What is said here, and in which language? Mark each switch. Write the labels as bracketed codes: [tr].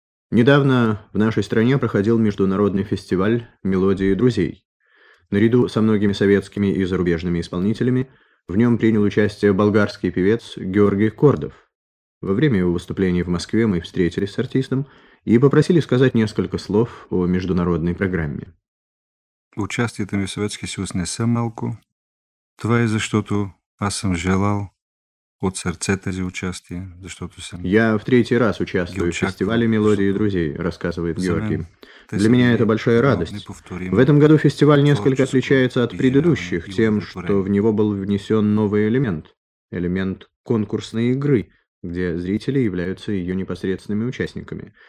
[ru] Недавно в нашей стране проходил международный фестиваль «Мелодии друзей». Наряду со многими советскими и зарубежными исполнителями в нем принял участие болгарский певец Георгий Кордов. Во время его выступления в Москве мы встретились с артистом и попросили сказать несколько слов о международной программе. [bg] Участието ми в Съветски съюз не са малко. Това е защото аз съм желал от сърце тези участия, защото съм... [ru] Я в третий раз участвую в фестивале «Мелодии и друзей», рассказывает Георгий. Для меня это большая радость. В этом году фестиваль несколько отличается от предыдущих тем, что в него был внесен новый элемент. Элемент конкурсной игры, где зрители являются ее непосредственными участниками.